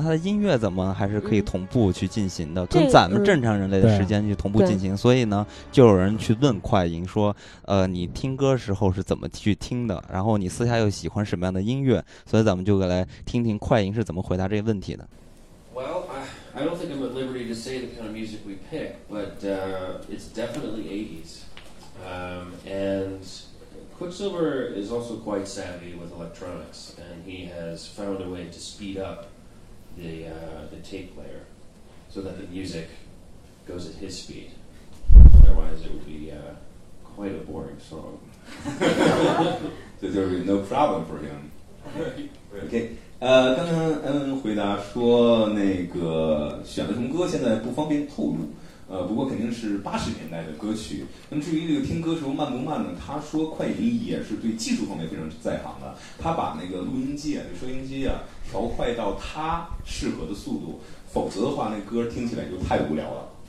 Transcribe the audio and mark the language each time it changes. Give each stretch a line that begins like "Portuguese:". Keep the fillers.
Chinese: 它的音乐怎么还是可以同步去进行的？跟、嗯、咱们正常人类的时间去同步进行，所以呢，就有人去问快音说：“呃，你听歌时候是怎么去听的？然后你私下又喜欢什么样的音乐？” 所以咱们就来听听快音是怎么回答这个问题的。
English: Well, I don't think I'm at liberty to say the kind of music we pick, but、uh, it's definitely 80s. Um, and Quicksilver is also quite savvy with electronics, and he has found a way to speed up the uh, the tape player so that the music goes at his speed. Otherwise, it would be uh, quite a boring song. so there is no problem for him. Okay.
Chinese: 呃，刚刚恩恩回答说，那个选了什么歌，现在不方便透露。
English: Okay.
Chinese: Uh 呃，不过肯定是八十年代的歌曲。那么至于这个听歌时候慢不慢呢？他说快银也是对技术方面非常在行的。他把那个录音机啊、这收音机啊调快到他适合的速度，否则的话那歌听起来就太无聊了。